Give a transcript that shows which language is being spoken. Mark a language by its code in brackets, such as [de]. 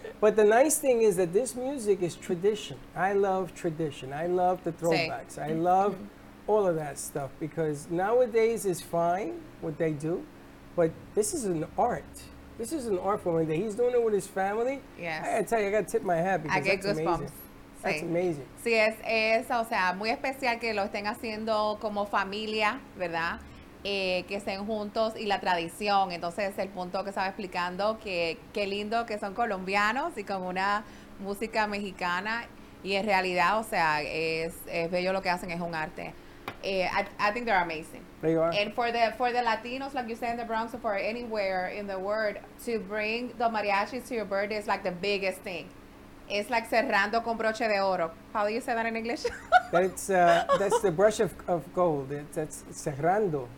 [en] But the nice thing is that this music is tradition. I love tradition. I love the throwbacks. Say. I love all of that stuff, because nowadays it's fine what they do, but this is an art. This is an art form. He's doing it with his family. Yes. I tell you, I got to tip my hat because that's amazing. Bumps. That's amazing. [es] Sí, es, o sea, muy especial que lo estén haciendo como familia, ¿verdad? Que estén juntos y la tradición. Entonces, el punto que estaba explicando, que qué lindo que son colombianos y como una música mexicana. Y en realidad, o sea, es bello lo que hacen, es un arte. [en] I think they're amazing. They are. And for the Latinos, like you said, in the Bronx or for anywhere in the world, to bring the mariachis to your birthday is like the biggest thing. It's like [es] cerrando con broche de oro. [en] How do you say that in English? That's the brush of gold. That's cerrando.